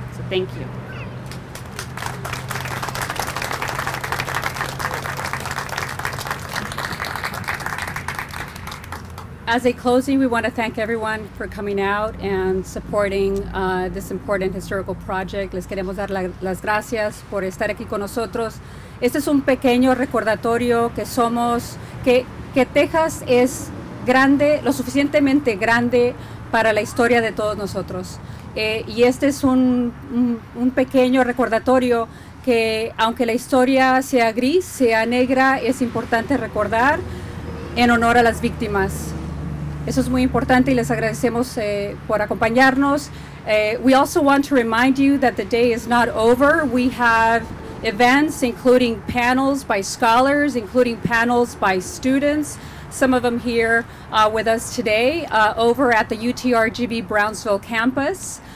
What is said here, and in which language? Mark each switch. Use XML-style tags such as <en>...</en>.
<en>So thank you. As a closing, we want to thank everyone for coming out and supporting this important historical project.</en> <es>Les queremos dar las gracias por estar aquí con nosotros. Este es un pequeño recordatorio que somos, que Texas es grande, lo suficientemente grande para la historia de todos nosotros. Y este es un pequeño recordatorio que, aunque la historia sea gris, sea negra, es importante recordar en honor a las víctimas. Eso es muy importante y les agradecemos por acompañarnos.</es> <en>We also want to remind you that the day is not over. We have events, including panels by scholars, including panels by students, some of them here with us today, over at the UTRGV Brownsville campus.</en>